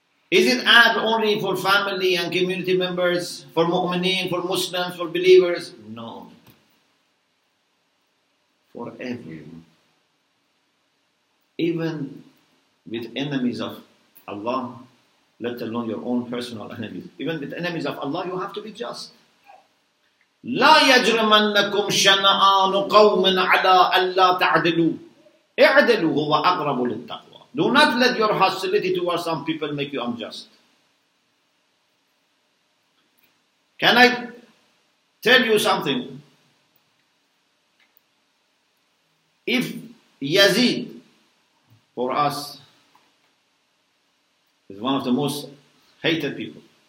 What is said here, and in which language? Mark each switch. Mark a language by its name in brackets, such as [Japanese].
[English] Is it adl only for family and community members, for mu'mineen, for Muslims, for believers? No. For everyone. Even with enemies of Allah, let alone your own personal enemies, even with enemies of Allah, you have to be just. [Arabic] لا يجرمنكم شنآن قوم على ألا تعدلوا اعدلوا هو أقرب للتقوى. [English] Do not let your hostility towards some people make you unjust. Can I tell you something? If Yazid, for us, is one of the most hated people.